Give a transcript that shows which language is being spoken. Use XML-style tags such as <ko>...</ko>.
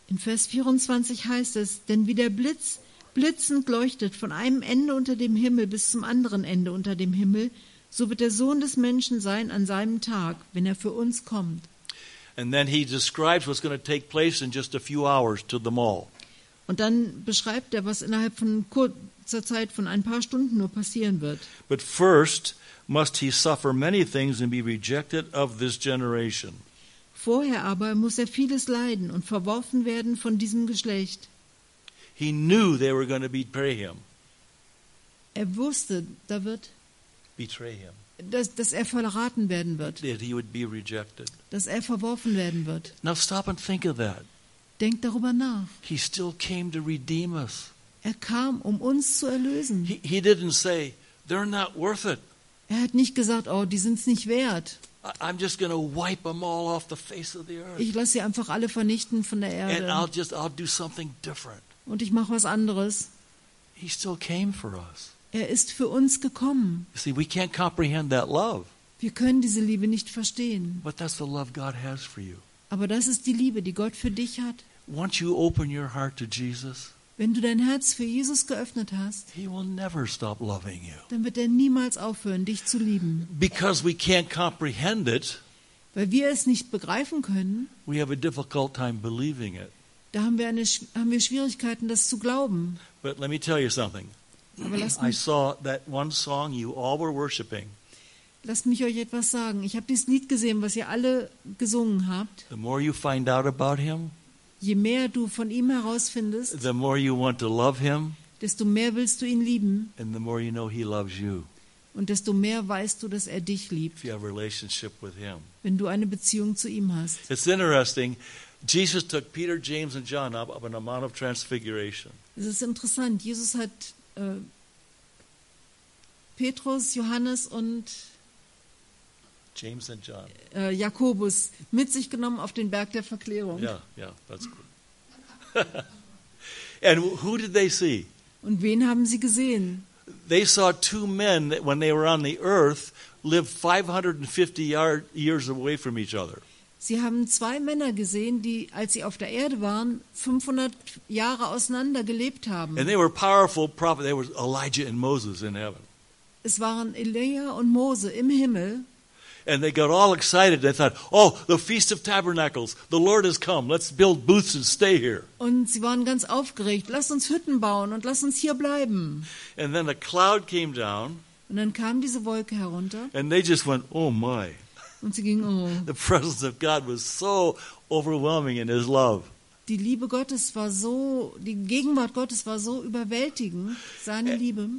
<de>In Vers 24 heißt es, denn wie der Blitz blitzend leuchtet von einem Ende unter dem Himmel bis zum anderen Ende unter dem Himmel, so wird der Sohn des Menschen sein an seinem Tag, wenn er für uns kommt.</de> <en>And then he describes what's going to take place in just a few hours to them all.</en> <de>Und dann beschreibt er, was innerhalb von zur Zeit von ein paar Stunden nur passieren wird.</de> <en>But first must he suffer many things and be rejected of this generation.</en> <de>Vorher aber muss er vieles leiden und verworfen werden von diesem Geschlecht.</de> <en>He knew they were going to betray him.</en> <de>Er wusste, da wird</de> <en>betray him.</en> <de>Dass er verraten werden wird.</de> <en>That he would be rejected.</en> <de>Dass er verworfen werden wird.</de> <en>Now stop and think of that.</en> <de>Denk darüber nach.</de> <en>He still came to redeem us.</en> <de>Er kam, um uns zu erlösen.</de> <en>He didn't say, they're not worth it.</en> <de>Er hat nicht gesagt, oh, die sind's nicht wert.</de> <en>I'm just going to wipe them all off the face of the earth.</en> <de>Ich lasse sie einfach alle vernichten von der Erde.</de> <en>And I'll do something different.</en> <de>Und ich mache was anderes.</de> <en>He still came for us.</en> <de>Er ist für uns gekommen.</de> <en>You see, we can't comprehend that love.</en> <de>Wir können diese Liebe nicht verstehen.</de> <en>But that's the love God has for you.</en> <de>Aber das ist die Liebe, die Gott für dich hat.</de> <en>Once you open your heart to Jesus.</en> <de>Wenn du dein Herz für Jesus geöffnet hast,</de> <en>he will never stop loving you.</en> <de>Dann wird er niemals aufhören, dich zu lieben.</de> <en>Because we can't comprehend it,</en> <de>weil wir es nicht begreifen können,</de> <en>we have a difficult time believing it.</en> <de>Da haben wir Schwierigkeiten, das zu glauben.</de> <en>But let me tell you something. I saw that one song you all were worshiping.</en> <de>Lasst mich euch etwas sagen. Ich habe dieses Lied gesehen, was ihr alle gesungen habt.</de> <en>The more you find out about him,</en> <de>je mehr du von ihm herausfindest,</de> <en>the more you want to love him,</en> <de>desto mehr willst du ihn lieben,</de> <en>and the more you know he loves you.</en> <de>Und desto mehr weißt du, dass er dich liebt,</de> <en>if you have a relationship with him.</en> <de>Wenn du eine Beziehung zu ihm hast.</de> <en>It's interesting. Jesus took Peter, James and John up on a Mount of Transfiguration.</en> <de>Es ist interessant. Jesus hat Petrus, Johannes und</de> <en>James and John.</en> <de>Jakobus mit sich genommen auf den Berg der Verklärung. Ja, ja,</de> <en>that's cool. And who did they see?</en> <de>Und wen haben sie gesehen?</de> <en>They saw two men that when they were on the earth lived 550 years away from each other.</en> <de>Sie haben zwei Männer gesehen, die, als sie auf der Erde waren, 500 Jahre auseinander gelebt haben.</de> <en>And they were powerful prophets. They were Elijah and Moses in heaven.</en> <de>Es waren Elia und Mose im Himmel.</de> <en>And they got all excited. They thought, oh, the Feast of Tabernacles. The Lord has come. Let's build booths and stay here.</en> <de>Und sie waren ganz aufgeregt. Lass uns Hütten bauen und lass uns hier bleiben.</de> <en>And then a cloud came down.</en> <de>Und dann kam diese Wolke herunter.</de> <en>And they just went, oh my.</en> <de>Und sie gingen, oh.</de> <en>The presence of God was so overwhelming in his love.</en> <de>Die Liebe Gottes war so, die Gegenwart Gottes war so überwältigend, seine Liebe.</de>